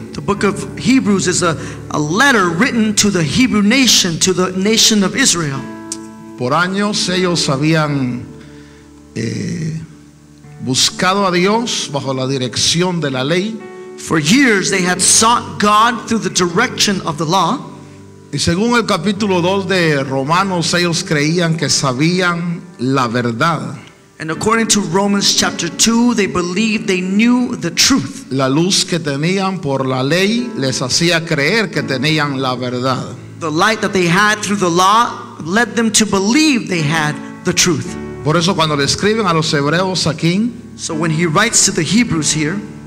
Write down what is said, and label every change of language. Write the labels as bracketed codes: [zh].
[en] The book of Hebrews is a letter written to the Hebrew nation, to the nation of Israel. [es] Por años ellos habían buscado a Dios bajo la dirección de la ley. [en] For years they had sought God through the direction of the law. [es] Y según el capítulo 2 de Romanos, ellos creían que sabían la verdad. [en] And according to Romans chapter 2, they believed they knew the truth. [es] La luz que tenían por la ley les hacía creer que tenían la verdad. [en] The light that they had through the law led them to believe they had the truth. [es] Por eso cuando le escriben a los hebreos aquí, [en] so when he writes to the Hebrews here,